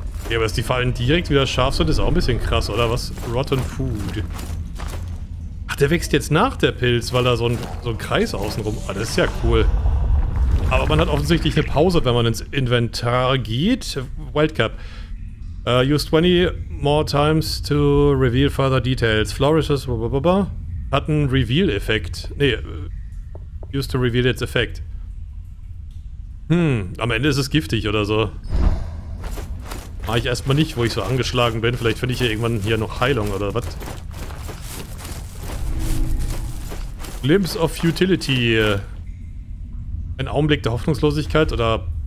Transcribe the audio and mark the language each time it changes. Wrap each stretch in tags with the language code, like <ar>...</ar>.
<de>Dass die Fallen direkt wieder scharf sind, ist auch ein bisschen krass, oder? Was? Rotten Food. Ach, der wächst jetzt nach, der Pilz, weil da so ein Kreis außenrum. Ah, das ist ja cool. Aber man hat offensichtlich eine Pause, wenn man ins Inventar geht. Wildcap.</de> <en>Use 20 more times to reveal further details. Flourishes, blablabla.</en> <de>Hat einen Reveal-Effekt.</de> <en>Nee, used to reveal its effect.</en> <de>Hm, am Ende ist es giftig oder so. Mach ich erstmal nicht, wo ich so angeschlagen bin. Vielleicht finde ich hier irgendwann hier noch Heilung oder was. Glimpse of Futility. Ein Augenblick der Hoffnungslosigkeit oder...</de>